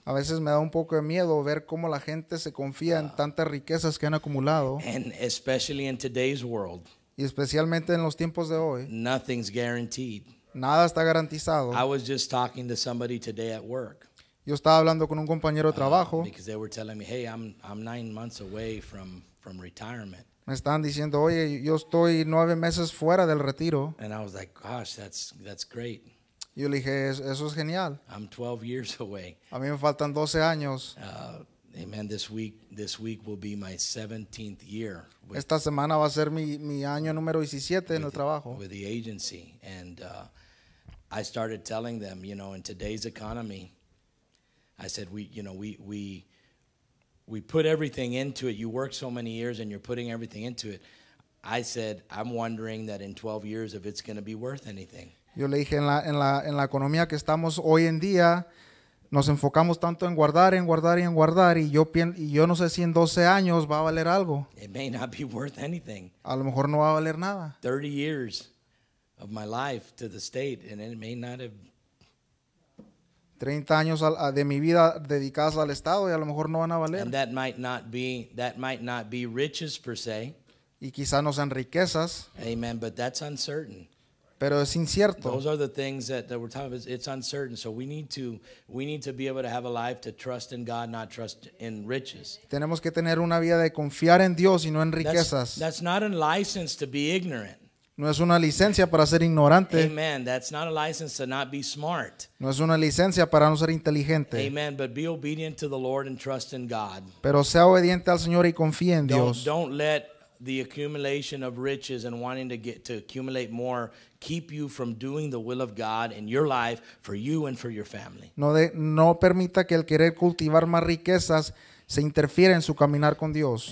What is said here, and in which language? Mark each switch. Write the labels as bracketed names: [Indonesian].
[Spanish] A veces me da un poco de miedo ver cómo la gente se confía en tantas riquezas que han acumulado. [English] And especially in today's world. [Spanish] Y especialmente en los tiempos de hoy. [English] Nothing's guaranteed. [Spanish] Nada está garantizado. [English] I was just talking to somebody today at work. [Spanish] Yo estaba hablando con un compañero de trabajo. [English] Because they were telling me, hey, I'm 9 months away from retirement. [Spanish] Me están diciendo, oye, yo estoy 9 meses fuera del retiro. [English] And I was like, gosh, that's great. [Spanish] Yo le dije, eso es genial. [English] I'm 12 years away. [Spanish] A mí me faltan 12 años. [English] Amen, this week will be my 17th year. [Spanish] Esta semana va a ser mi año número 17 en el trabajo. [English] With the agency. And I started telling them, you know, in today's economy, I said, we put everything into it. You work so many years and you're putting everything into it. I said, I'm wondering that in 12 years if it's going to be worth anything. [Spanish] Yo le dije, en la economía que estamos hoy en día, nos enfocamos tanto en guardar, en guardar y en guardar, y yo no sé si en 12 años va a valer algo. [English] It may not be worth anything. [Spanish] A lo mejor no va a valer nada. [English] 30 years of my life to the state, and it may not have... [Spanish] 30 años de mi vida dedicadas al Estado, y a lo mejor no van a valer. [English] And that might not be riches per se. [Spanish] Y quizá no sean riquezas. [English] Amen, but that's uncertain. [Spanish] Pero es incierto. [English] Those are the things that we're talking about. It's uncertain. So we need to be able to have a life to trust in God, not trust in riches. [Spanish] Tenemos que tener una vida de confiar en Dios y no en riquezas. [English] That's not a license to be ignorant. [Spanish] No es una licencia para ser ignorante. [English] Amen. That's not a license to not be smart. [Spanish] No es una licencia para no ser inteligente. [English] Amen. But be obedient to the Lord and trust in God. [Spanish] Pero sea obediente al Señor y confíe en Dios. [English] Don't let the accumulation of riches and wanting to get to accumulate more keep you from doing the will of God in your life for you and for your family. [Spanish] No permita que el querer cultivar más riquezas se interfiera en su caminar con Dios.